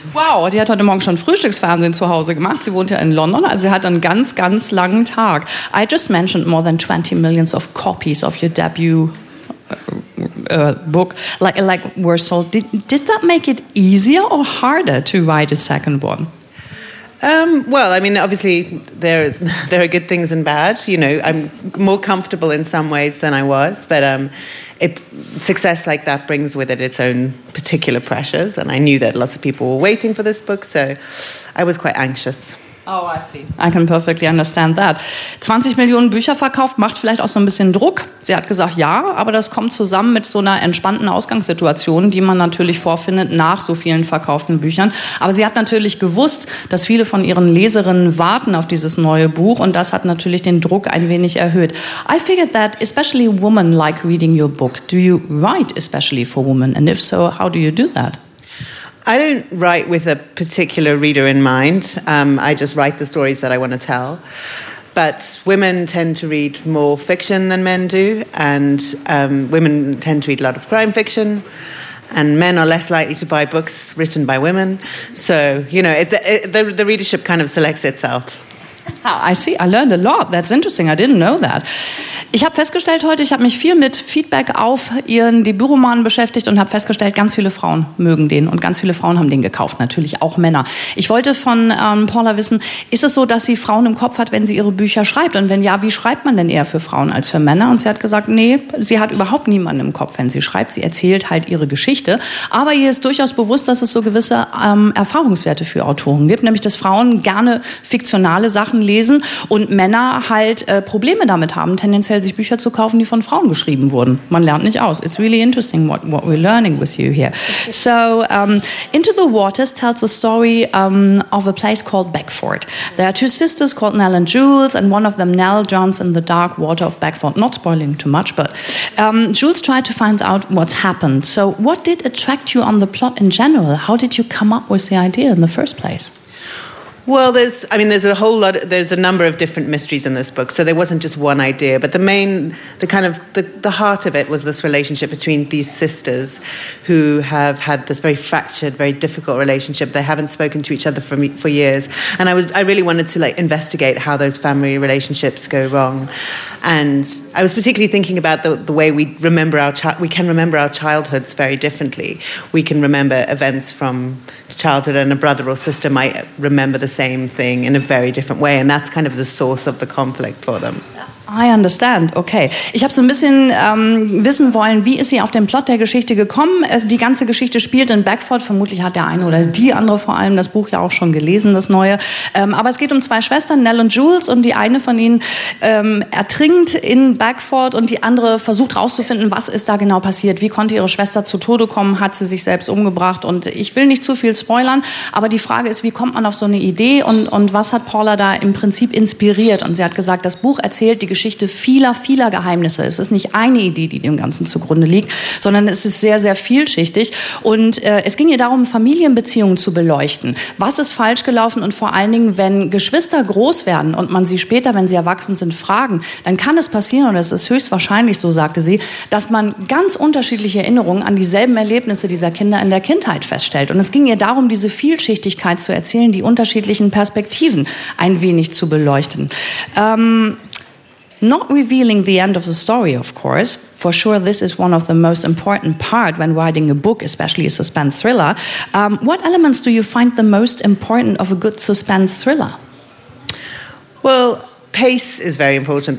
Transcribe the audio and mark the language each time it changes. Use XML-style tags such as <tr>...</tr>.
<de>Wow, die hat heute Morgen schon Frühstücksfernsehen zu Hause gemacht. Sie wohnt ja in London, also sie hat einen ganz, ganz langen Tag.</de> <en>I just mentioned more than 20 million of copies of your debut book, like were sold. Did that make it easier or harder to write a second one? Well, I mean, obviously there are good things and bad. You know, I'm more comfortable in some ways than I was, but success like that brings with it its own particular pressures, and I knew that lots of people were waiting for this book, so I was quite anxious. Oh, I see. I can perfectly understand that.</en> <de>20 Millionen Bücher verkauft macht vielleicht auch so ein bisschen Druck. Sie hat gesagt, ja, aber das kommt zusammen mit so einer entspannten Ausgangssituation, die man natürlich vorfindet nach so vielen verkauften Büchern. Aber sie hat natürlich gewusst, dass viele von ihren Leserinnen warten auf dieses neue Buch und das hat natürlich den Druck ein wenig erhöht.</de> <en>I figured that especially women like reading your book. Do you write especially for women? And if so, how do you do that? I don't write with a particular reader in mind. I just write the stories that I want to tell. But women tend to read more fiction than men do, and women tend to read a lot of crime fiction, and men are less likely to buy books written by women. So, you know, the readership kind of selects itself. I see, I learned a lot. That's interesting, I didn't know that.</en> <de>Ich habe festgestellt heute, ich habe mich viel mit Feedback auf Ihren Debütroman beschäftigt und habe festgestellt, ganz viele Frauen mögen den und ganz viele Frauen haben den gekauft, natürlich auch Männer. Ich wollte von Paula wissen, ist es so, dass sie Frauen im Kopf hat, wenn sie ihre Bücher schreibt? Und wenn ja, wie schreibt man denn eher für Frauen als für Männer? Und sie hat gesagt, nee, sie hat überhaupt niemanden im Kopf, wenn sie schreibt. Sie erzählt halt ihre Geschichte. Aber ihr ist durchaus bewusst, dass es so gewisse Erfahrungswerte für Autoren gibt, nämlich dass Frauen gerne fiktionale Sachen lesen und Männer halt Probleme damit haben, tendenziell sich Bücher zu kaufen, die von Frauen geschrieben wurden. Man lernt nicht aus.</de> <en>It's really interesting what we're learning with you here. So, Into the Waters tells the story of a place called Beckford. There are two sisters called Nell and Jules, and one of them, Nell, drowns in the dark water of Beckford. Not spoiling too much, but Jules tried to find out what's happened. So, what did attract you on the plot in general? How did you come up with the idea in the first place? Well, there's a number of different mysteries in this book, so there wasn't just one idea, but the heart of it was this relationship between these sisters who have had this very fractured, very difficult relationship. They haven't spoken to each other for years, and I really wanted to investigate how those family relationships go wrong. And I was particularly thinking about the way we remember our childhoods very differently. We can remember events from childhood, and a brother or sister might remember the same thing in a very different way, and that's kind of the source of the conflict for them. I understand. Okay.</en> <de>Ich habe so ein bisschen wissen wollen, wie ist sie auf den Plot der Geschichte gekommen? Die ganze Geschichte spielt in Beckford. Vermutlich hat der eine oder die andere vor allem das Buch ja auch schon gelesen, das neue. Aber es geht um zwei Schwestern, Nell und Jules, und die eine von ihnen ertrinkt in Beckford und die andere versucht rauszufinden, was ist da genau passiert? Wie konnte ihre Schwester zu Tode kommen? Hat sie sich selbst umgebracht? Und ich will nicht zu viel spoilern, aber die Frage ist, wie kommt man auf so eine Idee und was hat Paula da im Prinzip inspiriert? Und sie hat gesagt, das Buch erzählt die Geschichte vieler, vieler Geheimnisse. Es ist nicht eine Idee, die dem Ganzen zugrunde liegt, sondern es ist sehr, sehr vielschichtig. Und es ging ihr darum, Familienbeziehungen zu beleuchten. Was ist falsch gelaufen? Und vor allen Dingen, wenn Geschwister groß werden und man sie später, wenn sie erwachsen sind, fragen, dann kann es passieren, und es ist höchstwahrscheinlich so, sagte sie, dass man ganz unterschiedliche Erinnerungen an dieselben Erlebnisse dieser Kinder in der Kindheit feststellt. Und es ging ihr darum, diese Vielschichtigkeit zu erzählen, die unterschiedlichen Perspektiven ein wenig zu beleuchten.</de> <en>Not revealing the end of the story, of course. For sure, this is one of the most important parts when writing a book, especially a suspense thriller. What elements do you find the most important of a good suspense thriller? Well, pace is very important.</en>